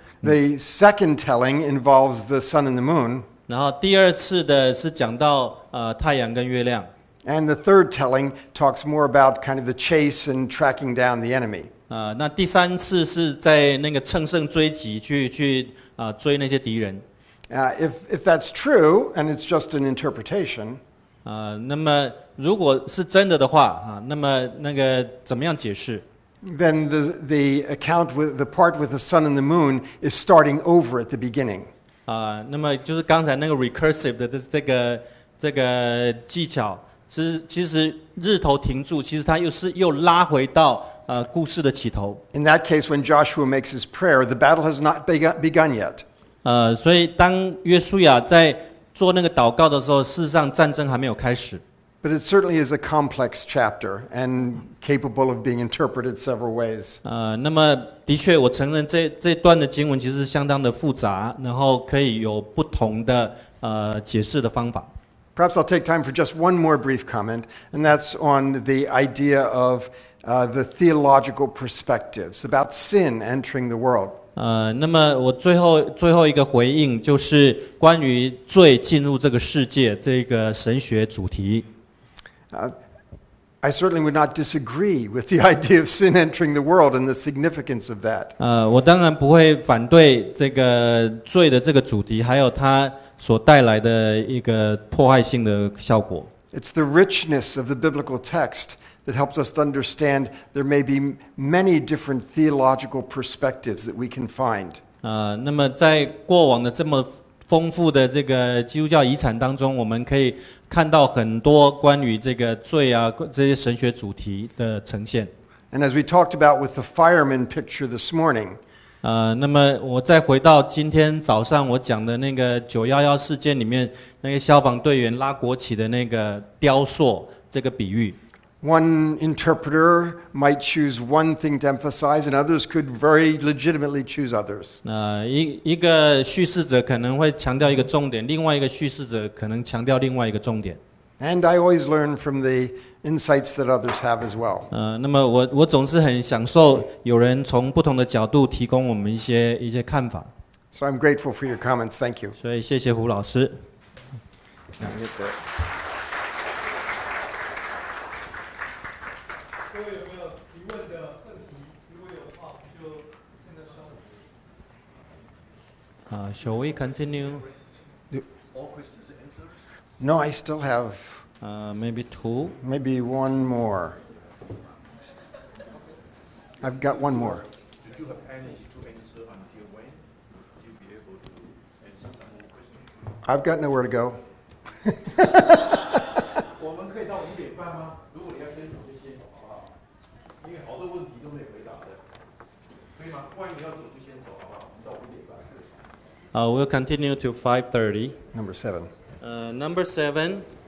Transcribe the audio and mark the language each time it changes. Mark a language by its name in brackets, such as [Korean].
[English] The second telling involves the sun and the moon. [Chinese] 然后第二次的是讲到太阳跟月亮。 [English] And the third telling talks more about kind of the chase and tracking down the enemy. [Chinese] 那第三次是在那个乘胜追击去追那些敌人。 [English] If that's true, and it's just an interpretation, [Chinese] 那么如果是真的话，那么那个怎么样解释？ [English] Then the account with the part with the sun and the moon is starting over at the beginning. [Chinese] 那么就是刚才那个 recursive 的这个技巧，其实日头停住，其实它又拉回到故事的起头。 [English] In that case, when Joshua makes his prayer, the battle has not begun yet. [Chinese] 所以当约书亚在做那个祷告的时候，事实上战争还没有开始。 [English] But it certainly is a complex chapter and capable of being interpreted several ways. [Chinese] 那么的确，我承认这段的经文其实相当的复杂，然后可以有不同的解释的方法。 [English] Perhaps I'll take time for just one more brief comment, and that's on the idea of the theological perspectives about sin entering the world. [Chinese] 那么我最后一个回应就是关于罪进入这个世界这个神学主题。 [English] I certainly would not disagree with the idea of sin entering the world and the significance of that. [Chinese] 我当然不会反对这个罪的这个主题，还有它所带来的一个破坏性的效果。 [English] It's the richness of the biblical text. That helps us to understand there may be many different theological perspectives that we can find. [Chinese] 那么在过往的这么丰富的这个基督教遗产当中，我们可以看到很多关于这个罪啊这些神学主题的呈现。 [English] And as we talked about with the fireman picture this morning, [Chinese] 那么我再回到今天早上我讲的那个911事件里面那个消防队员拉国旗的那个雕塑这个比喻。 [English] One interpreter might choose one thing to emphasize, and others could very legitimately choose others. [Chinese] 一个叙事者可能会强调一个重点，另外一个叙事者可能强调另外一个重点。 [English] And I always learn from the insights that others have as well. [Chinese] 那么我总是很享受有人从不同的角度提供我们一些看法。 [English] So I'm grateful for your comments. Thank you. [Chinese] 所以谢谢胡老师。 [English] Shall we continue? All questions answered? No, I still have. Maybe two. Maybe one more. I've got one more. Did you have energy to answer until when? Would you be able to answer some more questions? I've got nowhere to go. [Chinese] 我们可以到五点半吗？如果你要先走就先走，好不好？因为好多问题都没回答的，可以吗？万一要走就先走，好不好？我们到五点半。 [English] We'll continue to 5:30. Number seven. Number seven.